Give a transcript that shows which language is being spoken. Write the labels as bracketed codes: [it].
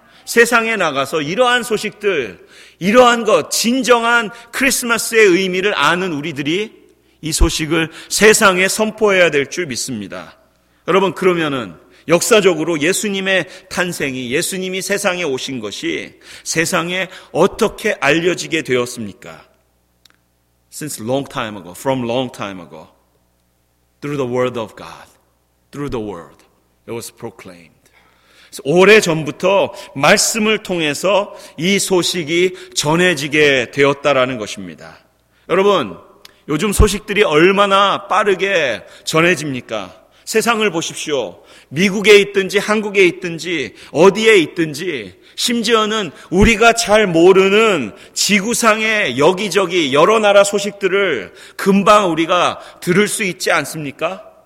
[ko] 세상에 나가서 이러한 소식들, 이러한 것, 진정한 크리스마스의 의미를 아는 우리들이 이 소식을 세상에 선포해야 될 줄 믿습니다. 여러분, 그러면은 역사적으로 예수님의 탄생이, 예수님이 세상에 오신 것이 세상에 어떻게 알려지게 되었습니까? [en] Since long time ago, from long time ago, through the word of God, through the word, it was proclaimed. [ko] 오래 전부터 말씀을 통해서 이 소식이 전해지게 되었다라는 것입니다. 여러분, 요즘 소식들이 얼마나 빠르게 전해집니까? 세상을 보십시오. 미국에 있든지 한국에 있든지 어디에 있든지 심지어는 우리가 잘 모르는 지구상의 여기저기 여러 나라 소식들을 금방 우리가 들을 수 있지 않습니까?